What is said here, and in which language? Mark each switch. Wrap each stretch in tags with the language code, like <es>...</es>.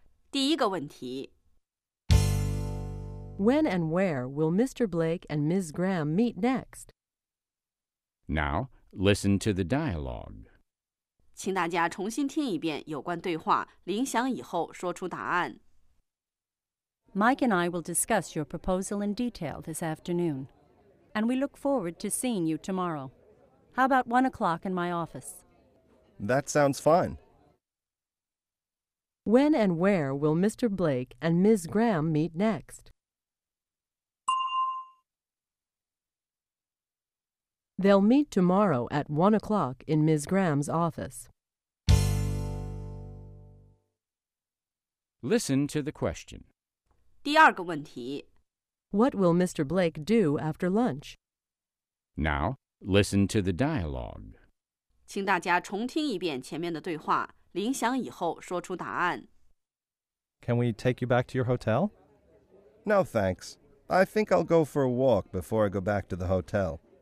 <zh>第一个问题。</zh> <en>When and where will Mr. Blake and Ms. Graham meet next? Now, listen to the dialogue.</en> <zh>请大家重新听一遍有关对话，铃响以后说出答案。</zh> <en>Mike and I will discuss your proposal in detail this afternoon, and we look forward to seeing you tomorrow. How about 1 o'clock in my office? That sounds fine. When and where will Mr. Blake and Ms. Graham meet next? They'll meet tomorrow at 1 o'clock in Ms. Graham's office. Listen to the question.</en> <zh>第二个问题。</zh> <en>What will Mr. Blake do after lunch? Now, listen to the dialogue.</en> <zh>请大家重听一遍前面的对话，铃响以后说出答案。</zh> <en>Can we take you back to your hotel? No, thanks. I think I'll go for a walk before I go back to the hotel.</en>